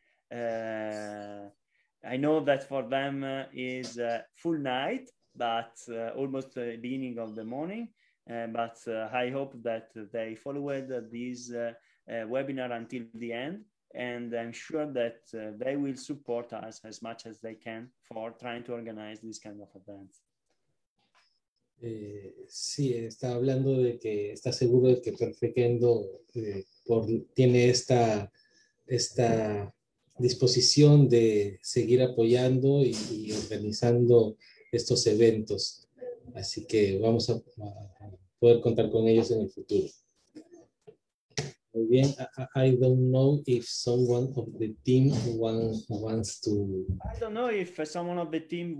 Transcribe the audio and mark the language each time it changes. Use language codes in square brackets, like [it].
[en] I know that for them is a full night, but almost the beginning of the morning. But I hope that they followed this webinar until the end. And I'm sure that they will support us as much as they can for trying to organize this kind of events. [es] Sí, está hablando de que está seguro de que Perfecto tiene esta disposición de seguir apoyando y organizando estos eventos. Así que vamos a poder contar con ellos en el futuro. Muy bien, [en] I don't know if someone of the team wants to. I don't know if someone of the team